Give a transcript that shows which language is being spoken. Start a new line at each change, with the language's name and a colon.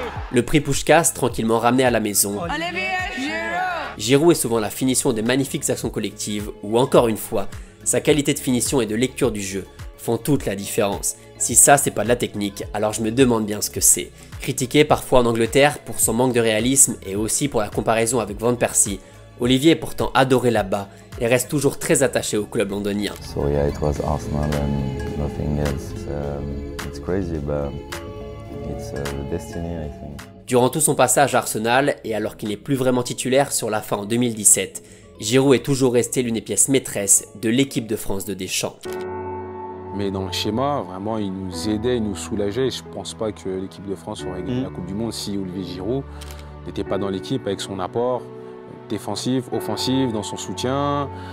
French: Le prix Puskás, tranquillement ramené à la maison. Giroud est souvent la finition des magnifiques actions collectives où, encore une fois, sa qualité de finition et de lecture du jeu font toute la différence. Si ça, c'est pas de la technique, alors je me demande bien ce que c'est. Critiqué parfois en Angleterre pour son manque de réalisme et aussi pour la comparaison avec Van Persie, Olivier est pourtant adoré là-bas et reste toujours très attaché au club londonien.
English: So yeah, it was Arsenal and nothing else. It's crazy, but it's the destiny, I think.
French: Durant tout son passage à Arsenal, et alors qu'il n'est plus vraiment titulaire sur la fin en 2017, Giroud est toujours resté l'une des pièces maîtresses de l'équipe de France de Deschamps. Mais dans le schéma, vraiment, il nous aidait, il nous soulageait. Je ne pense pas que l'équipe de France aurait gagné la Coupe du Monde si Olivier Giroud n'était pas dans l'équipe avec son apport défensif, offensif, dans son soutien.